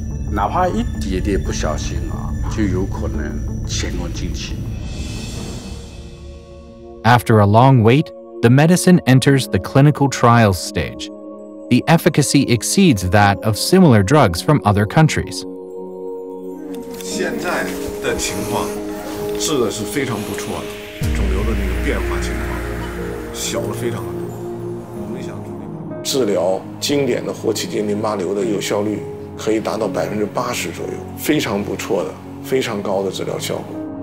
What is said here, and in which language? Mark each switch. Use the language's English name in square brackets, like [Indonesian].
[Chinese] 哪怕一点点不小心啊，就有可能前功尽弃。 [English] After a long wait, the medicine enters the clinical trials stage. The efficacy exceeds that of similar drugs from other countries. [Chinese] 现在的情况治的是非常不错的，肿瘤的那个变化情况小了非常多。我们想治疗经典的活期间淋巴瘤的有效率可以达到80%左右，非常不错的，非常高的治疗效果。